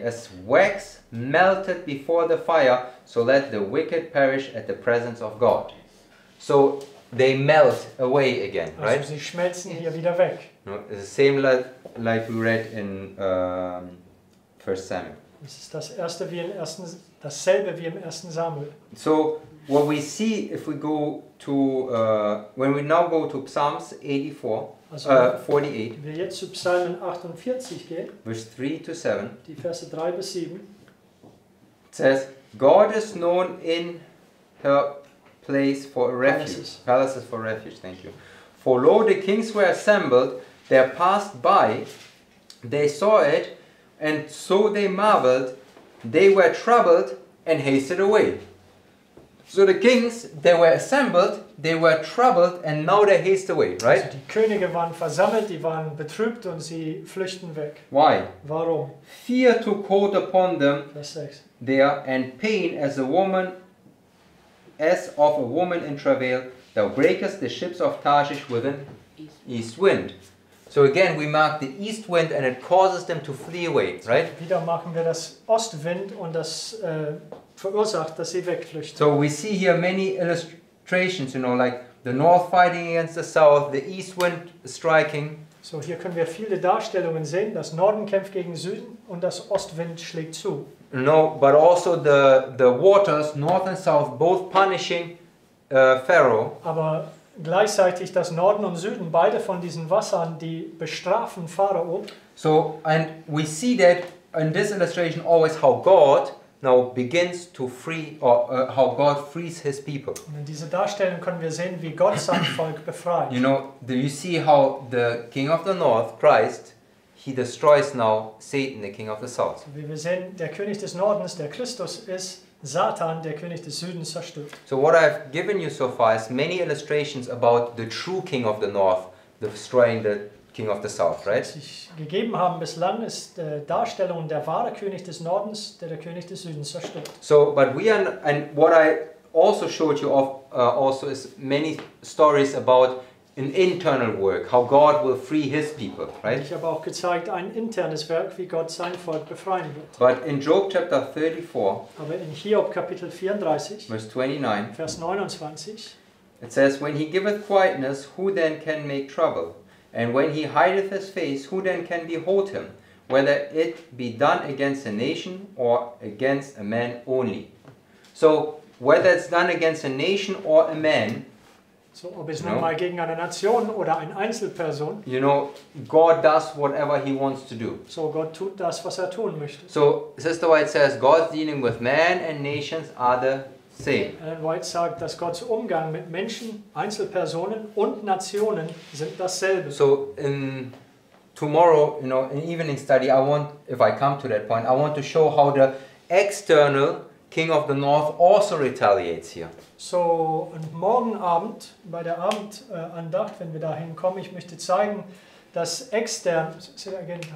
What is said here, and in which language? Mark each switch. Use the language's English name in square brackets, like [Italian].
[English] As wax melted before the fire, so let the wicked perish at the presence of God. So they melt away again, [German] also [English] right? [German] Sie schmelzen yes. Hier wieder weg. [English] No, it's the same like we read in 1 Samuel. [German] Es ist das erste wie im ersten, dasselbe wie im ersten Samuel. [English] So what we see if we go to when we now go to Psalms 84, [German] also, [English] 48. [German] Wenn wir jetzt zu Psalmen 48 gehen. [English] Verse 3 to 7. [German] Die Verse 3 bis 7. [English] It says, God is known in her place for a refuge. Palaces for refuge, thank you. For lo, the kings were assembled, they passed by, they saw it, and so they marveled, they were troubled, and hasted away. So the kings, they were assembled, they were troubled, and now they haste away, right? [German] Also die Könige waren versammelt, die waren betrübt und sie flüchten weg. [English] Why? [German] Warum? [English] Fear took hold upon them there, and pain as a woman, as of a woman in travail, thou breakest the ships of Tarshish with an east wind. So again, we mark the east wind and it causes them to flee away, right? [German] Wieder machen wir das Ostwind und das verursacht, dass sie wegflüchten. [English] So we see here many illustrations, you know, like the north fighting against the south, the east wind striking. [German] So hier können wir viele Darstellungen sehen, das Norden kämpft gegen Süden und das Ostwind schlägt zu. [English] No, but also the waters, north and south, both punishing Pharaoh. [German] Aber gleichzeitig das Norden und Süden, beide von diesen Wassern, die bestrafen Pharao. [English] So, and we see that in this illustration always how God now begins to free, or how God frees his people. [German] Und in dieser Darstellung können wir sehen, wie Gott sein Volk befreit. [English] You know, do you see how the king of the north, Christ, he destroys now Satan, the king of the south. [German] So, wie wir sehen, der König des Nordens, der Christus, ist Satan, der König des Südens, zerstört. [English] So what I've given you so far is many illustrations about the true king of the north destroying the king of the south, right? [German] Was ich gegeben haben bislang ist die Darstellung der wahre König des Nordens, der König des Südens zerstört. [English] So, but we are, and what I also showed you of also is many stories about an internal work, how God will free his people, right? [German] Ich habe auch gezeigt ein internes Werk, wie Gott sein Volk befreien wird. [English] But in Job chapter 34, [German] aber in Hiob Kapitel 34, [English] verse 29, [German] Vers 29, [English] it says, when he giveth quietness, who then can make trouble? And when he hideth his face, who then can behold him? Whether it be done against a nation or against a man only. So, whether it's done against a nation or a man, [German] so, ob es nun mal gegen eine Nation oder eine Einzelperson. [English] You know, God does whatever he wants to do. [German] So, Gott tut das, was er tun möchte. [English] So, Sister White says, God's dealing with man and nations are the same. [German] Ellen White sagt, dass Gottes Umgang mit Menschen, Einzelpersonen und Nationen sind dasselbe. [English] So, in tomorrow, you know, in evening study, I want, if I come to that point, I want to show how the external King of the North also retaliates here. [German] So, und morgen Abend, bei der Abendandacht, wenn wir dahin kommen, ich möchte zeigen, dass extern, [English] say again,